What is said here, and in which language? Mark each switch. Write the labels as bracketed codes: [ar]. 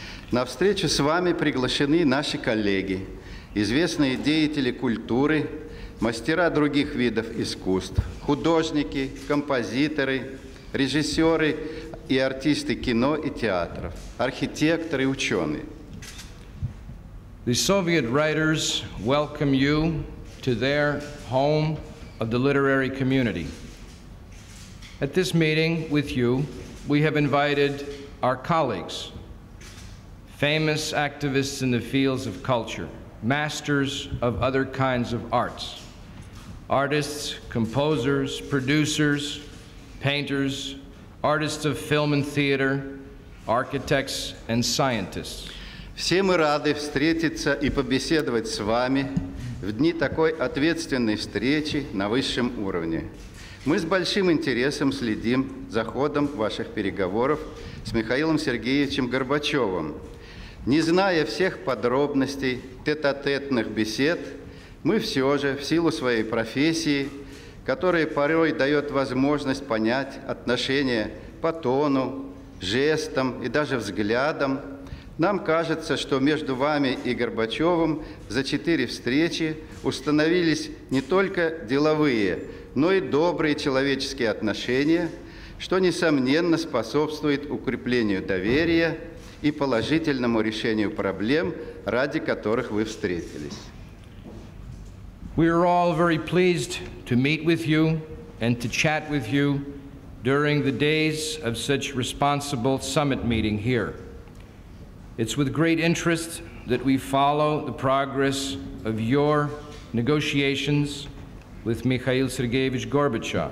[ru] На встречу с вами приглашены наши коллеги, известные деятели культуры, мастера других видов искусств, художники, композиторы, режиссеры и артисты кино и театров, архитекторы и ученые. [en] The Soviet writers welcome you to their home of the literary community. At this meeting with you, we have invited our colleagues, famous activists in the fields of culture, masters of other kinds of arts, artists, composers, producers, painters, artists of film and theater, architects and scientists. [ru] Все мы рады встретиться и побеседовать с вами в дни такой ответственной встречи на высшем уровне. Мы с большим интересом следим за ходом ваших переговоров с Михаилом Сергеевичем Горбачевым. Не зная всех подробностей тет-а-тетных бесед, мы все же в силу своей профессии, которая порой дает возможность понять отношения по тону, жестам и даже взглядам, нам кажется, что между вами и Горбачевым за четыре встречи установились не только деловые, но и добрые человеческие отношения, что, несомненно, способствует укреплению доверия и положительному решению проблем, ради которых вы встретились. [en] We are all very pleased to meet with you and to chat with you during the days of such responsible summit meeting here. It's with great interest that we follow the progress of your negotiations with Mikhail Sergeyevich Gorbachev.